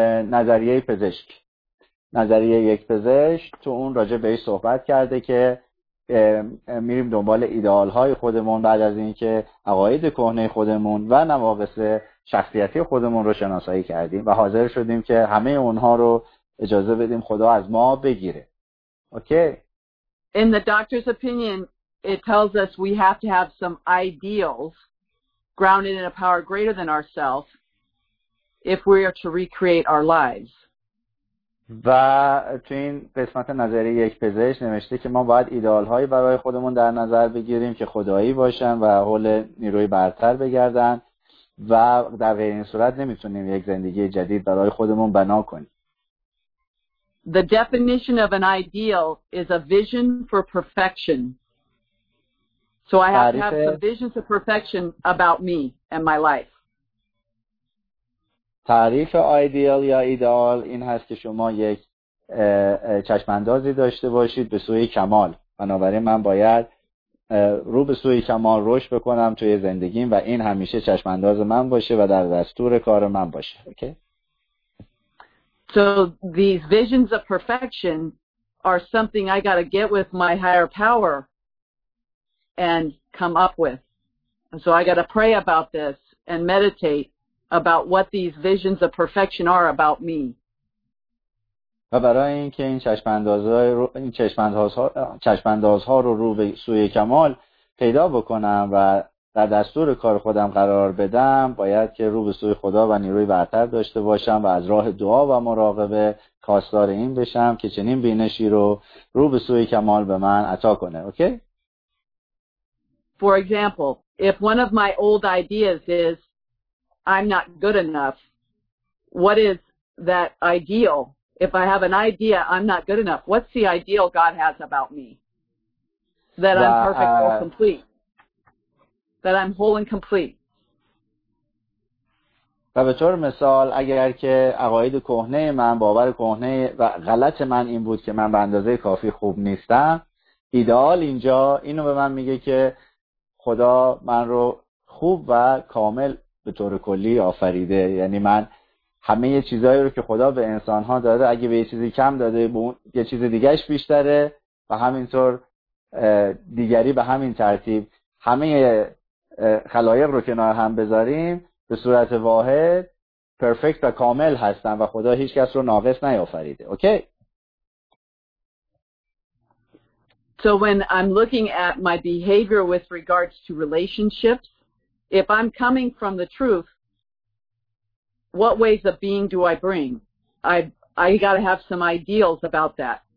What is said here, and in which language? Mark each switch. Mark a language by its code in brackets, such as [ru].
[fa] نظریه پزشک نظریه یک پزشک تو اون راجع به این صحبت کرده که میریم دنبال ایدئال های خودمون بعد از اینکه عقاید کهنه خودمون و نواقص شخصیتی خودمون رو شناسایی کردیم و حاضر شدیم که همه اونها رو اجازه بدیم خدا از ما بگیره. [en] Okay. In the doctor's opinion, it tells us we have to have some ideals grounded in a power greater than ourselves if we are to recreate our lives. [fa] و تو این قسمت نظریه یک پزشک نوشته که ما باید ایدئال‌هایی برای خودمون در نظر بگیریم که خدایی باشن و حول نیروی برتر بگردن و در غیر این صورت نمیتونیم یک زندگی جدید برای خودمون بنا کنیم. [en] The definition of an ideal is a vision for perfection. So I have to have some visions of perfection about me and my life. [fa] تعریف ایدئال یا ایدئال این هست که شما یک چشم‌اندازی داشته باشید به سوی کمال. بنابراین من باید رو به سوی کمال رشد بکنم توی زندگیم و این همیشه چشم‌انداز من باشه و در دستور کار من باشه. [en] So these visions of perfection are something I gotta get with my higher power and come up with. So I gotta pray about this and meditate about what these visions of perfection are about me. [fa] و برای اینکه این چشم‌اندازها رو رو به سوی کمال پیدا بکنم و در دستور کار خودم قرار بدم، باید که رو به سوی خدا و نیروی برتر داشته باشم و از راه دعا و مراقبه خواستار این بشم که چنین بینشی رو به سوی کمال به من عطا کنه. [en] Okay? For example, if one of my old ideas is I'm not good enough. What is that ideal? If I have an idea, I'm not good enough. What's the ideal God has about me? That I'm perfect or complete. That I'm whole and complete. [fa] و به طور مثال اگر که عقاید کهنه من باور کهنه و غلط من این بود که من به اندازه کافی خوب نیستم، ایدئال اینجا اینو به من میگه که خدا من رو خوب و کامل به طور کلی آفریده، یعنی من همه یه چیزایی رو که خدا به انسان‌ها داده اگه به یه چیزی کم داده به اون یه چیز دیگه‌اش بیشتره و همینطور دیگری به همین ترتیب همه خلایق رو کنار هم بذاریم به صورت واحد پرفکت و کامل هستن و خدا هیچ کس رو ناقص نیافریده. [en] Okay? So when I'm looking at my behavior with regards to relationships, if I'm coming from the truth, what ways of being do I bring? I got to have some ideals about that.